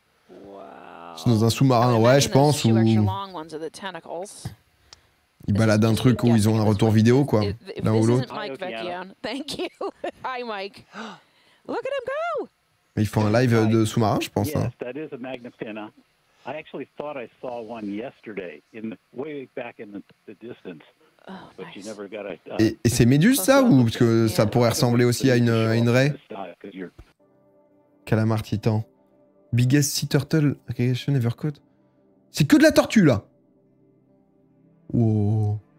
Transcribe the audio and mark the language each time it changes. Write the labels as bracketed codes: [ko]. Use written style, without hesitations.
[fr] Wow. C'est dans un sous-marin, ouais, je pense, ou... Ils baladent un truc où ils ont un retour vidéo, quoi. L'un ou l'autre. [en] Mike Vecchione. Thank you. Hi, Mike. Look at him go! [fr] Ils font un live de sous-marin, je pense. [en] Yes, that is a Magna Pinna. I actually thought I saw one yesterday, in the, way back in the distance. But you never got a, [fr] et c'est Méduse, ça, ou parce que ça pourrait ressembler aussi à une raie? [en] Calamar titan. Biggest sea turtle aggregation ever caught. [fr] C'est que de la tortue, là. [en] Wow.